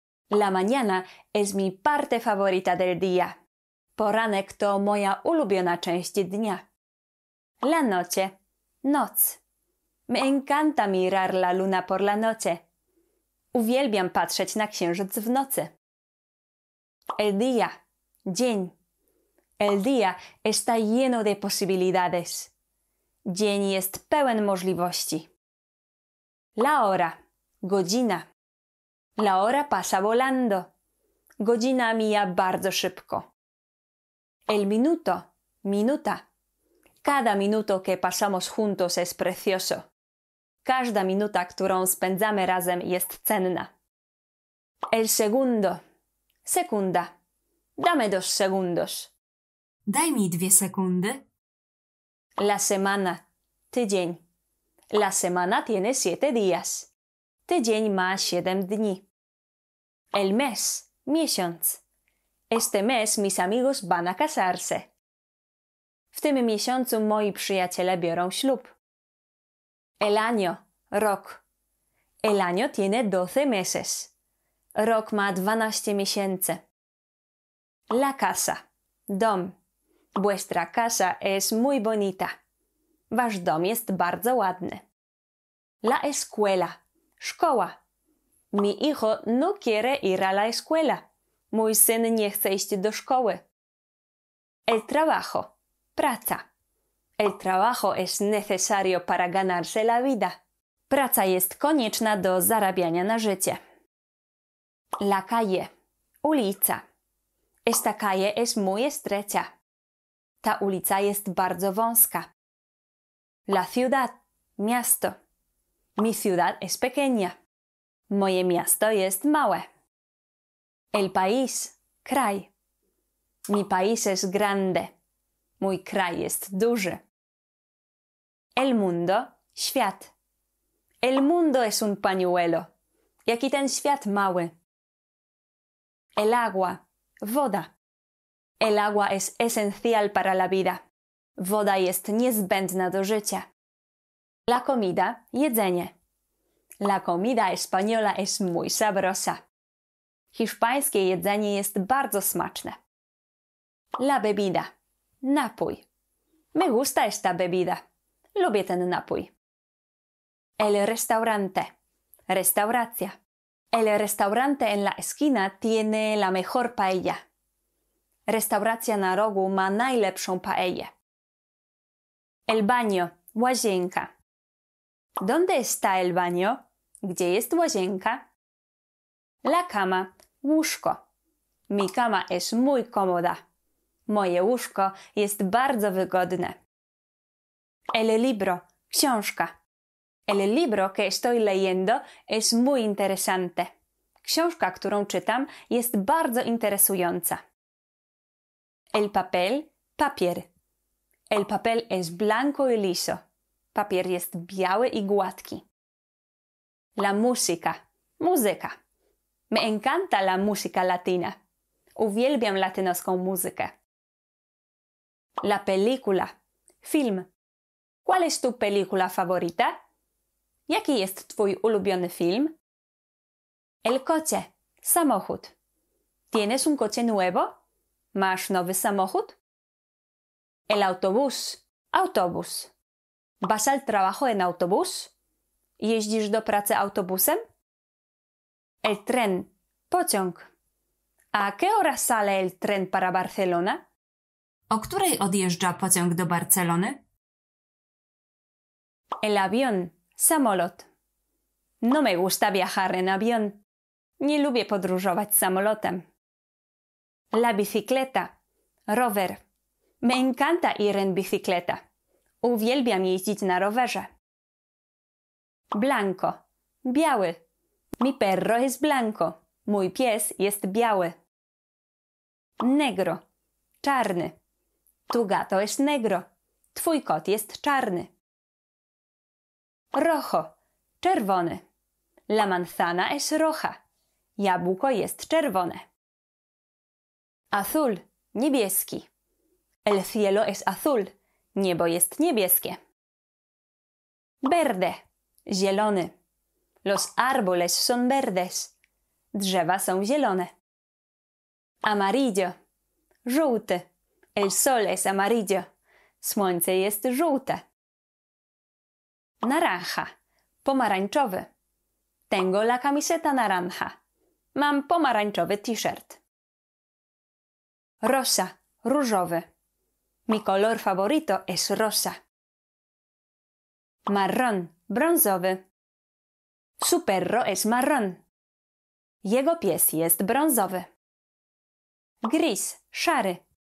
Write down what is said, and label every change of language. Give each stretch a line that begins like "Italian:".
Spanish: La mañana es mi parte favorita del día.
Polish: Poranek to moja ulubiona część dnia.
Spanish: La noche, noc. Me encanta mirar la luna por la noche.
Polish: Uwielbiam patrzeć na księżyc w nocy.
Spanish: El día, dzień. El día está lleno de posibilidades.
Polish: Dzień jest pełen możliwości.
Spanish: La hora.
Polish: Godzina.
Spanish: La hora pasa volando.
Polish: Godzina mija bardzo szybko.
Spanish: El minuto. Minuta. Cada minuto que pasamos juntos es precioso.
Polish: Każda minuta, którą spędzamy razem, jest cenna.
Spanish: El segundo. Sekunda. Dame dos segundos.
Polish: Daj mi dwie sekundy.
Spanish: La semana. Tydzień. La semana tiene siete días.
Polish: Tydzień ma siedem dni.
Spanish: El mes. Miesiąc. Este mes mis amigos van a casarse.
Polish: W tym miesiącu moi przyjaciele biorą ślub.
Spanish: El año. Rok. El año tiene doce meses.
Polish: Rok ma 12 miesięcy.
Spanish: La casa.
Polish: Dom.
Spanish: Vuestra casa es muy bonita.
Polish: Wasz dom jest bardzo ładny.
Spanish: La escuela. Szkoła. Mi hijo no quiere ir a la escuela.
Polish: Mój syn nie chce iść do szkoły.
Spanish: El trabajo. Praca. El trabajo es necesario para ganarse la vida.
Polish: Praca jest konieczna do zarabiania na życie.
Spanish: La calle. Ulica. Esta calle es muy estrecha.
Polish: Ta ulica jest bardzo wąska.
Spanish: La ciudad. Miasto. Mi ciudad es pequeña.
Polish: Moje miasto jest małe.
Spanish: El país.
Polish: Kraj.
Spanish: Mi país es grande.
Polish: Mój kraj jest duży.
Spanish: El mundo. Świat. El mundo es un pañuelo.
Polish: Jaki ten świat mały.
Spanish: El agua. Woda. El agua es esencial para la vida.
Polish: Woda jest niezbędna do życia.
Spanish: La comida. Jedzenie. La comida española es muy sabrosa.
Polish: Hiszpańskie jedzenie jest bardzo smaczne.
Spanish: La bebida. Napój. Me gusta esta bebida.
Polish: Lubię ten napój.
Spanish: El restaurante. Restauracja. El restaurante en la esquina tiene la mejor paella.
Polish: Restauracja na rogu ma najlepszą paellę.
Spanish: El baño. Łazienka. ¿Dónde está el baño?
Polish: Gdzie jest łazienka?
Spanish: La cama.
Polish: Łóżko.
Spanish: Mi cama es muy cómoda.
Polish: Moje łóżko jest bardzo wygodne.
Spanish: El libro. Książka. El libro que estoy leyendo es muy interesante.
Polish: Książka, którą czytam, jest bardzo interesująca.
Spanish: El papel. Papier. El papel es blanco y liso.
Polish: Papier jest biały i gładki.
Spanish: La música.
Polish: Muzyka.
Spanish: Me encanta la música latina.
Polish: Uwielbiam latynoską muzykę.
Spanish: La película. Film. ¿Cuál es tu película favorita?
Polish: Jaki jest twój ulubiony film?
Spanish: El coche. Samochód. ¿Tienes un coche nuevo?
Polish: ¿Masz nowy samochód?
Spanish: El autobús.
Polish: Autobus.
Spanish: ¿Vas al trabajo en autobús?
Polish: ¿Jeździsz do pracy autobusem?
Spanish: El tren. Pociąg. ¿A qué hora sale el tren para Barcelona?
Polish: ¿O której odjeżdża pociąg do Barcelony?
Spanish: El avión. Samolot. No me gusta viajar en avión.
Polish: Nie lubię podróżować samolotem.
Spanish: La bicicleta. Rower. Me encanta ir en bicicleta.
Polish: Uwielbiam jeździć na rowerze.
Spanish: Blanco. Biały. Mi perro es blanco.
Polish: Mój pies jest biały. Negro. Czarny.
Spanish: Tu gato es negro.
Polish: Twój kot jest czarny.
Spanish: Rojo. Czerwony. La manzana es roja.
Polish: Jabłko jest czerwone.
Spanish: Azul. Niebieski. El cielo es azul.
Polish: Niebo jest niebieskie.
Spanish: Verde. Zielony. Los árboles son verdes.
Polish: Drzewa są zielone.
Spanish: Amarillo. Żółty. El sol es amarillo.
Polish: Słońce jest żółte.
Spanish: Naranja. Pomarańczowy. Tengo la camiseta naranja.
Polish: Mam pomarańczowy t-shirt.
Spanish: Rosa. Różowy. Mi color favorito es rosa. Marrón. Brązowy. Su perro es marrón.
Polish: Jego pies jest brązowy.
Spanish: Gris. Szary.